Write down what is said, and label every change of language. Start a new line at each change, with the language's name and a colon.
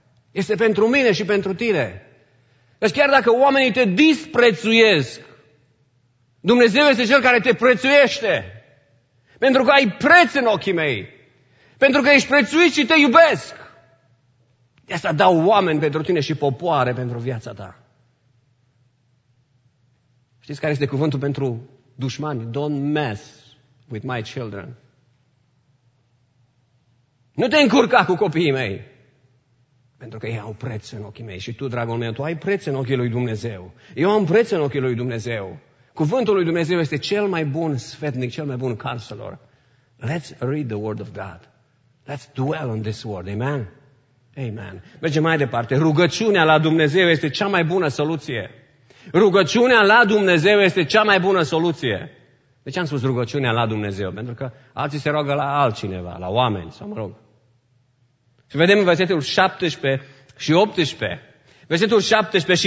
Romanian: Este pentru mine și pentru tine. Deci chiar dacă oamenii te disprețuiesc, Dumnezeu este Cel care te prețuiește. Pentru că ai preț în ochii mei. Pentru că ești prețuit și te iubesc. De asta dau oameni pentru tine și popoare pentru viața ta. Știți care este cuvântul pentru dușmani?
English: Don't mess with my children.
Romanian: Nu te încurca cu copiii mei. Pentru că ei au preț în ochii mei. Și tu, dragul meu, tu ai preț în ochii lui Dumnezeu. Eu am preț în ochii lui Dumnezeu. Cuvântul lui Dumnezeu este cel mai bun sfetnic, cel mai bun counselor.
English: Let's read the word of God. Let's dwell on this word. Amen? Amen.
Romanian: Mergem mai departe. Rugăciunea la Dumnezeu este cea mai bună soluție. Rugăciunea la Dumnezeu este cea mai bună soluție. De ce am spus rugăciunea la Dumnezeu? Pentru că alții se roagă la altcineva, la oameni, sau mă rog. Și vedem în versetul 17 și 18. Versetul 17.